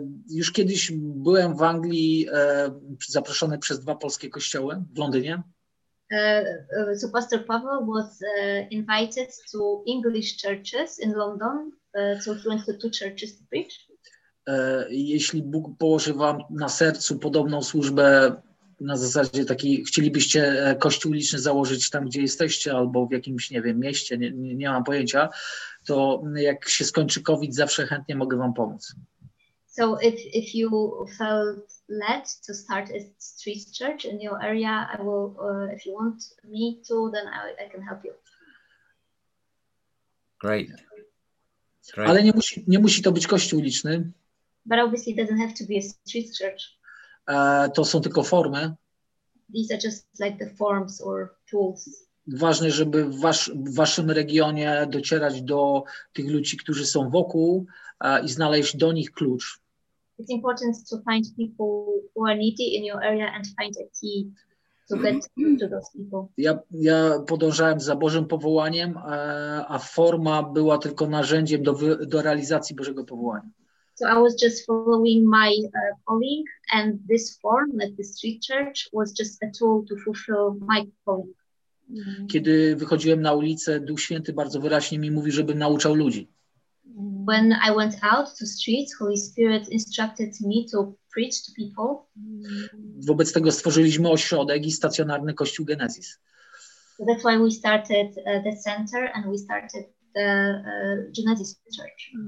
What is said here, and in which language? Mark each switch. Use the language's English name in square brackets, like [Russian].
[Polish] Już kiedyś byłem w Anglii zaproszony przez 2 polskie kościoły w Londynie. [English] So Pastor Paweł was invited to English churches in London, so he went to 2 churches to preach. [Polish] Jeśli Bóg położy wam na sercu podobną służbę, na zasadzie takiej, chcielibyście kościół uliczny założyć tam, gdzie jesteście, albo w jakimś, nie wiem, mieście, nie mam pojęcia, to jak się skończy COVID, zawsze chętnie mogę wam pomóc. [English] So if you felt led to start a street church in your area, I will, if you want me to, then I can help you. Great. [Polish] Ale nie musi to być kościół uliczny. [English] But obviously it doesn't have to be a street church. [Polish] To są tylko formy. [English] These are just like the forms or tools. [Polish] Ważne, żeby w waszym regionie docierać do tych ludzi, którzy są wokół i znaleźć do nich klucz. [English] It's important to find people who are needy in your area and find a key to get to those people. [Polish] Ja podążałem za Bożym powołaniem, a forma była tylko narzędziem do realizacji Bożego powołania. [English] So I was just following my calling, and this form, like the street church, was just a tool to fulfill my calling. [Polish] Kiedy wychodziłem na ulicę, Duch Święty bardzo wyraźnie mi mówi, żebym nauczał ludzi. [English] When I went out to streets, Holy Spirit instructed me to preach to people. [Polish] Wobec tego stworzyliśmy ośrodek i stacjonarny kościół Genesis. [English] So that's why we started the center and we started the Genesis Church.